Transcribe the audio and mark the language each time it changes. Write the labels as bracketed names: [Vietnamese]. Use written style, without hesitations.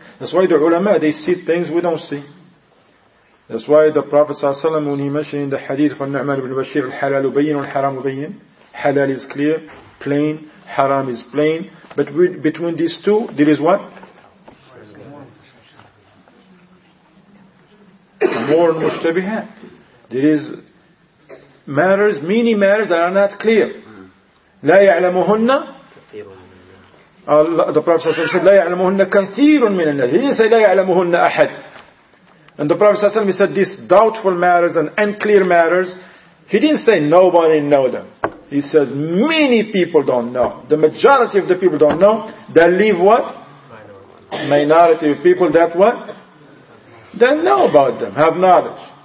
[English] That's why the ulama, they see things we don't see. That's why the Prophet Sallallahu Alaihi Wasallam, when he mentioned in the hadith from Nu'man ibn Bashir, [Arabic] al-halal ubayyin wal-haram ubayyin, [English] halal is clear, plain, haram is plain. But between these two, there is what? More mushtabihat. There is matters, many matters that are not clear. [Arabic] لا يعلمهن. [English] The Prophet said [Arabic] لا يعلمهن كثير من الناس. [English] He didn't say [Arabic] لا يعلمهن أحد. [English] And the Prophet said these doubtful matters and unclear matters, he didn't say nobody know them. He said many people don't know. The majority of the people don't know. They leave what? Minority of people that what? They know about them, have knowledge.